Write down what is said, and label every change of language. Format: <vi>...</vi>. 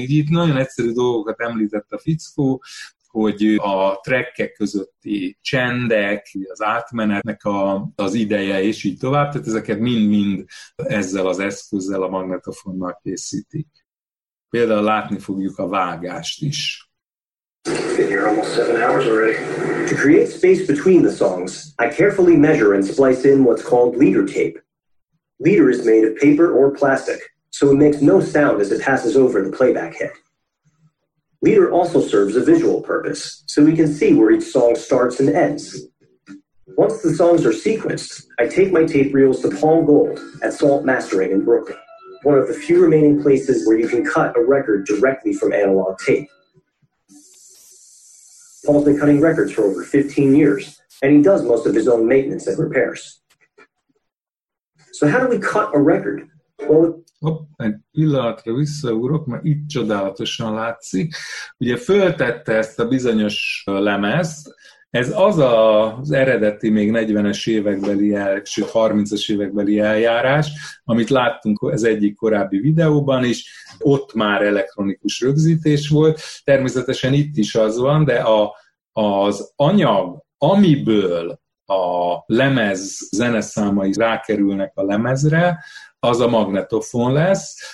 <hu>Így itt nagyon egyszerű dolgokat említett a fickó, hogy a trackek közötti csendek, az átmenetnek az ideje, és így tovább, tehát ezeket mind-mind ezzel az eszközzel, a magnetofonnal készítik. Például látni fogjuk a vágást is.</hu> <en>To create space between the songs, I carefully measure and splice in what's called leader tape. Leader is made of paper or plastic, so it makes no sound as it passes over the playback head. Leader also serves a visual purpose, so we can see where each song starts and ends. Once the songs are sequenced, I take my tape reels to Paul Gold at Salt Mastering in Brooklyn, one of the few remaining places where you can cut a record directly from analog tape. Paul's been cutting records for over 15 years, and he does most of his own maintenance and repairs. So how do we cut a record?</en> <hu>Egy pillanatra visszaugrok, mert itt csodálatosan látszik. Ugye föltette ezt a bizonyos lemezt, ez az az eredeti még 40-es évekbeli, sőt 30-as évekbeli eljárás, amit láttunk az egyik korábbi videóban is, ott már elektronikus rögzítés volt, természetesen itt is az van, de az anyag, amiből a lemez zeneszámai rákerülnek a lemezre, az a magnetofon lesz.</hu>